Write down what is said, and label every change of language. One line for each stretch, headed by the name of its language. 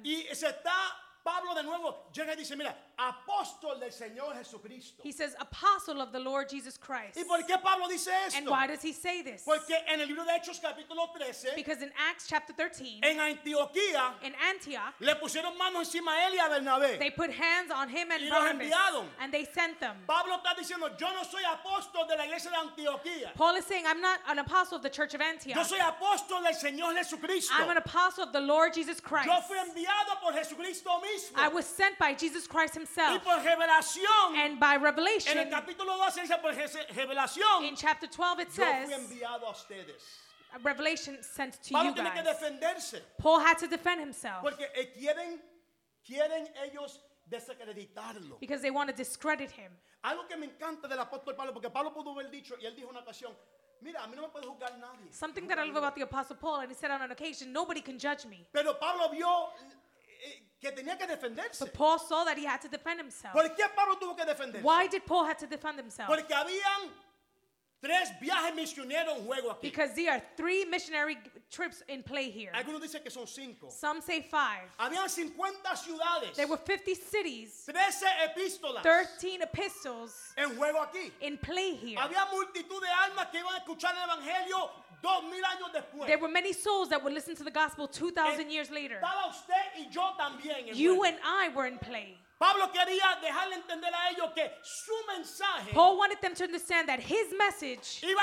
Spanish: Y se está Pablo de nuevo llega y dice, mira, apóstol del Señor Jesucristo.
English: He says, apostle of the Lord Jesus Christ.
Spanish: ¿Y por qué Pablo dice esto?
English: And why does he say this?
Spanish: Porque en el libro de Hechos capítulo 13,
English: because in Acts chapter 13,
Spanish: en Antioquía,
English: in Antioch,
Spanish: le pusieron manos encima a él y a Bernabé.
English: They put hands on him and
Spanish: y
English: Barnabas.
Spanish: Los enviaron.
English: And they sent them.
Spanish: Pablo está diciendo, yo no soy apóstol de la iglesia de Antioquía.
English: Paul is saying, I'm not an apostle of the church of Antioch.
Spanish: Yo soy apóstol del Señor Jesucristo.
English: I'm an apostle of the Lord Jesus Christ.
Spanish: Yo fui enviado por Jesucristo mismo.
English: I was sent by Jesus Christ himself.
Spanish: Y por revelación,
English: and by revelation.
Spanish: En el capítulo 12 dice por revelación,
English: in chapter 12 it says,
Spanish: yo fui enviado a ustedes.
English: A revelation sent to
Spanish: Pablo
English: you guys.
Spanish: Tiene que defenderse.
English: Paul had to defend himself.
Spanish: Porque quieren ellos desacreditarlo.
English: Because they want to discredit him.
Spanish: Algo que me encanta del apóstol Pablo, porque Pablo pudo haber dicho, y él dijo una ocasión, mira, a mí no me puede juzgar nadie.
English: Something that I love about the apostle Paul, and he said on an occasion, nobody can judge me.
Spanish: Pero Pablo vio... que tenía que defenderse.
English: But Paul saw that he had to defend himself.
Spanish: ¿Por qué Pablo tuvo que defenderse?
English: Why did Paul have to defend himself?
Spanish: Porque habían tres viajes misioneros en juego aquí.
English: Because there are three missionary trips in play here.
Spanish: Algunos dicen que son cinco.
English: Some say five.
Spanish: Habían 50 ciudades.
English: There were 50 cities.
Spanish: 13 epístolas.
English: 13 epistles.
Spanish: En juego aquí.
English: In play here.
Spanish: Había multitud de almas que iban a escuchar el evangelio 2,000 años después.
English: There were many souls that would listen to the gospel 2,000 years later.
Spanish: Estaba usted y yo también.
English: You and I were in play.
Spanish: Pablo quería dejarle entender a ellos que su mensaje.
English: Paul wanted them to understand that his message.